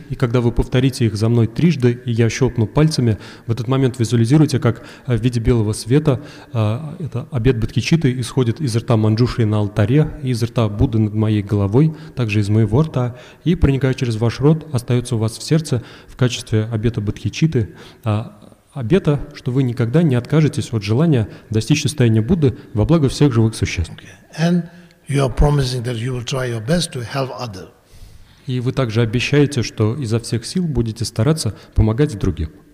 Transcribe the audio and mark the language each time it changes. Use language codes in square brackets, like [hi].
[ru] И когда вы повторите их за мной трижды, и я щелкну пальцами, в этот момент визуализируйте, как в виде белого света это обет Бодхичитты исходит из рта Манджушри на алтаре, из рта Будды над моей головой, также из моего рта, и проникая через ваш рот, остается у вас в сердце в качестве обета Бодхичитты. Обета, что вы никогда не откажетесь от желания достичь состояния Будды во благо всех живых существ. [en] And you are promising that you will try your best to help others. [ru] И вы также обещаете, что изо всех сил будете стараться помогать другим.